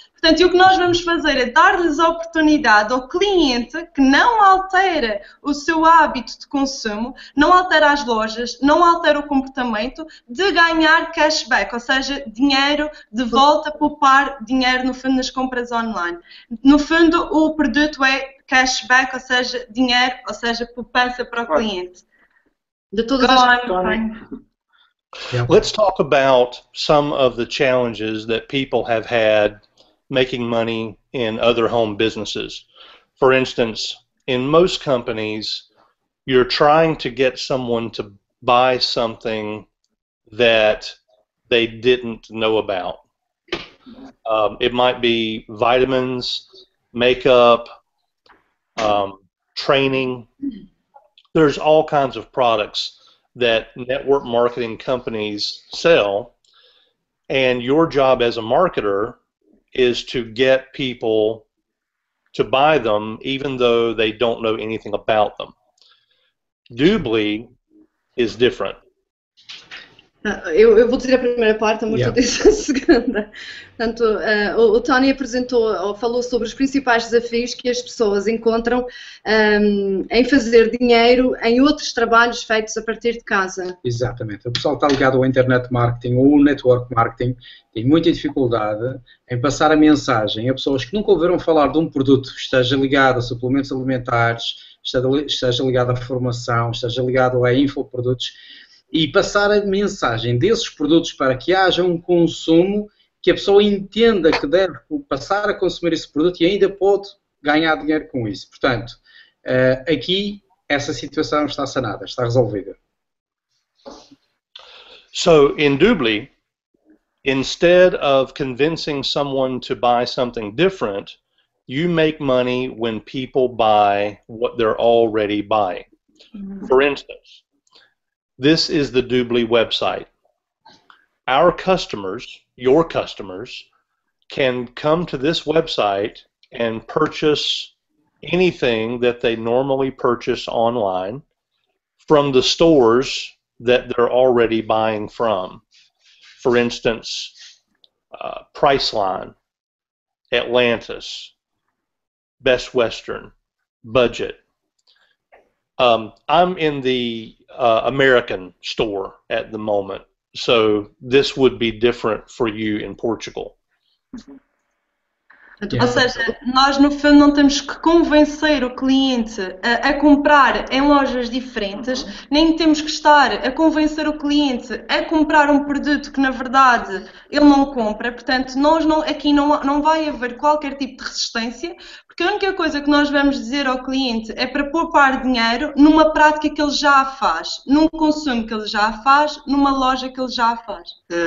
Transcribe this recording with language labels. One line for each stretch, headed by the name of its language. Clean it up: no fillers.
Portuguese: Portanto, o que nós vamos fazer é dar-lhes a oportunidade ao cliente que não altera o seu hábito de consumo, não altera as lojas, não altera o comportamento, de ganhar cashback, ou seja, dinheiro de volta, poupar dinheiro no fundo nas compras online. No fundo, o produto é cashback, ou seja, dinheiro, ou seja, poupança para o cliente. De todas as
English: Yep. Let's talk about some of the challenges that people have had making money in other home businesses. For instance, in most companies, you're trying to get someone to buy something that they didn't know about. It might be vitamins, makeup, training. There's all kinds of products that network marketing companies sell, and your job as a marketer is to get people to buy them even though they don't know anything about them. Doobly is different.
Portuguese: Eu vou dizer a primeira parte, amor, tu dizes a segunda. Portanto, o Tony apresentou, ou falou sobre os principais desafios que as pessoas encontram em fazer dinheiro em outros trabalhos feitos a partir de casa. Exatamente. O pessoal está ligado ao internet marketing ou network marketing, tem muita dificuldade em passar a mensagem a pessoas que nunca ouviram falar de um produto que esteja ligado a suplementos alimentares, esteja ligado à formação, esteja ligado a infoprodutos, e passar a mensagem desses produtos para que haja um consumo, que a pessoa entenda que deve passar a consumir esse produto e ainda pode ganhar dinheiro com isso. Portanto, aqui essa situação está sanada, está resolvida.
English: So, in Doobly, instead of convincing someone to buy something different, you make money when people buy what they're already buying. For instance, this is the Doobly website. Our customers, your customers, can come to this website and purchase anything that they normally purchase online from the stores that they're already buying from. For instance, Priceline, Atlantis, Best Western, Budget. I'm in the American store at the moment, so this would be different for you in Portugal.
Portuguese: Ou seja, nós no fundo não temos que convencer o cliente a comprar em lojas diferentes, nem temos que estar a convencer o cliente a comprar um produto que na verdade ele não compra. Portanto, nós não, aqui não vai haver qualquer tipo de resistência, porque a única coisa que nós vamos dizer ao cliente é para poupar dinheiro numa prática que ele já faz, num consumo que ele já faz, numa loja que ele já faz.